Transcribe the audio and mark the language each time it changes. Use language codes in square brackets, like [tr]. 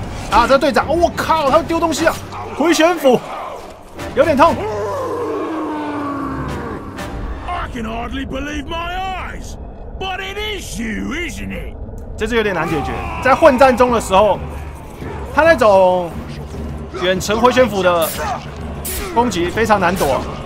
[zh] 啊！这队长，我、哦、靠，他丢东西啊！回旋斧，有点痛。 [en] can hardly believe my eyes. But it is you, isn't it? [zh] 这次有点难解决。在混战中的时候，他那种远程回旋斧的攻击非常难躲。